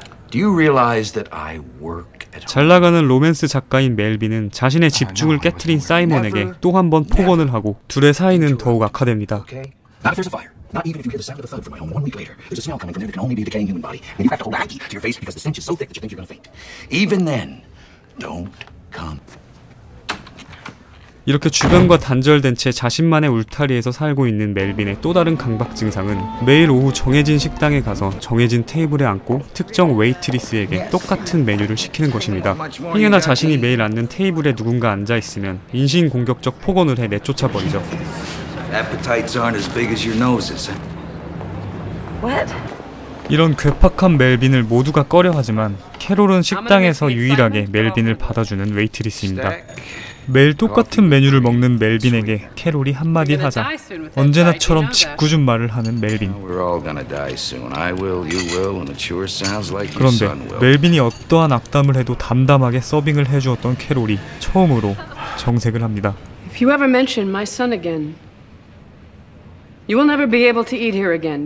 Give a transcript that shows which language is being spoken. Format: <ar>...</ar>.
<en>Do you realize that I work at home?</en> <ko>잘 나가는 로맨스 작가인 멜빈은 자신의 집중을 깨트린 사이먼에게 또 한 번 폭언을 하고 둘의 사이는 더욱 악화됩니다.</ko> <en>Not if there's a fire. Not even if you hear the sound of the thud from my home one week later. There's a smell coming from there that can only be a decaying human body. And you have to hold Aggie to your face because the stench is so thick that you think you're going to faint. Even then, don't come.</en> <ko>이렇게 주변과 단절된 채 자신만의 울타리에서 살고 있는 멜빈의 또 다른 강박 증상은 매일 오후 정해진 식당에 가서 정해진 테이블에 앉고 특정 웨이트리스에게 똑같은 메뉴를 시키는 것입니다. 행여나 자신이 매일 앉는 테이블에 누군가 앉아 있으면 인신공격적 폭언을 해 내쫓아 버리죠.</ko> <en>Appetites aren't as big as your noses. What?</en> <ko>이런 괴팍한 멜빈을 모두가 꺼려하지만 캐롤은 식당에서 유일하게 멜빈을 받아주는 웨이트리스입니다. 매일 똑같은 메뉴를 먹는 멜빈에게 캐롤이 한마디 하자 언제나처럼 짓궂은 말을 하는 멜빈. 그런데 멜빈이 어떠한 악담을 해도 담담하게 서빙을 해주었던 캐롤이 처음으로 정색을 합니다.</ko> <en>If you ever mention my son again, you will never be able to eat here again.</en>